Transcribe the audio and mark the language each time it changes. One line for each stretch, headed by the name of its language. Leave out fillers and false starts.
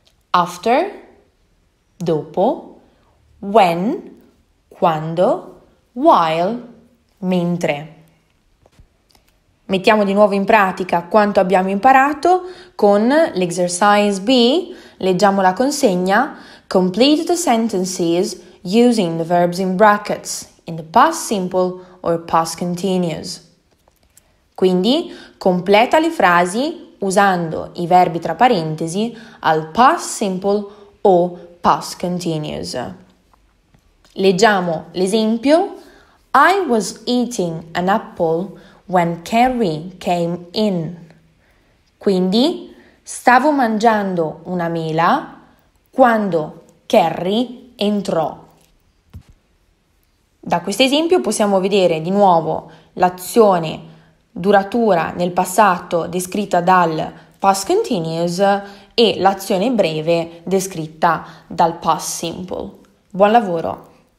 Italian: After, dopo. When, quando. While, mentre. Mettiamo di nuovo in pratica quanto abbiamo imparato con l'exercise B. Leggiamo la consegna.
English: Complete the sentences using the verbs in brackets in the past simple or past continuous.
Italian: Quindi completa le frasi usando i verbi tra parentesi al past simple o past continuous. Leggiamo l'esempio.
English: I was eating an apple when Carrie came in.
Italian: Quindi stavo mangiando una mela quando Carrie entrò. Da questo esempio possiamo vedere di nuovo l'azione duratura nel passato descritta dal past continuous e l'azione breve descritta dal past simple. Buon lavoro!